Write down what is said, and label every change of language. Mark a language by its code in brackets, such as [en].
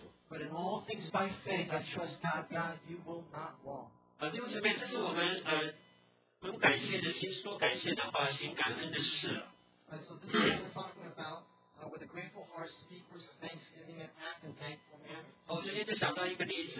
[en] But in all things by faith, I trust God, God, you will not wrong. [zh] 弟兄姊妹，这是我们用感谢的心说感谢的话，行感恩的事。 [en] So this is what we're talking about with a grateful heart, speak words of thanksgiving and act in thankful manner.